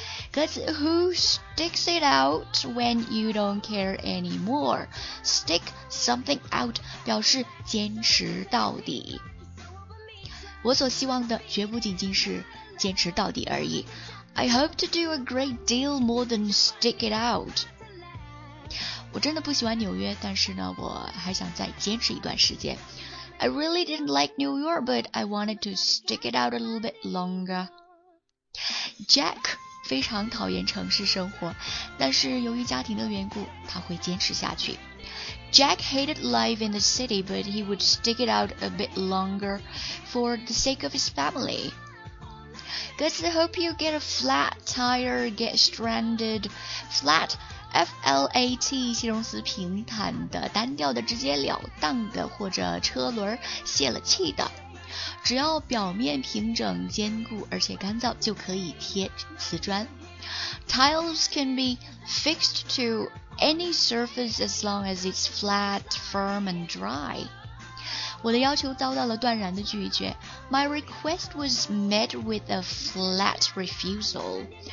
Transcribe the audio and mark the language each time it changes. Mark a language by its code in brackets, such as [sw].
[en] Because who sticks it out when you don't care anymore? Stick something out [zh] 表示坚持到底。我所希望的绝不仅仅是坚持到底而已。 [en] I hope to do a great deal more than stick it out. [zh] 我真的不喜欢纽约，但是呢，我还想再坚持一段时间。 [en] I really didn't like New York, but I wanted to stick it out a little bit longer. Jack. [zh] 非常讨厌城市生活，但是由于家庭的缘故，他会坚持下去。 [en] Jack hated life in the city, but he would stick it out a bit longer for the sake of his family. Because I hope you get a flat tire, get stranded. [zh] Flat, F-L-A-T, 形容词平坦的、单调的、直截了当的，或者车轮泄了气的。只要表面平整、坚固而且干燥，就可以贴瓷砖。 [en] Tiles can be fixed to any surface as long as it's flat, firm, and dry. [zh] 我的要求遭到了断然的拒绝。 [en] My request was met with a flat refusal.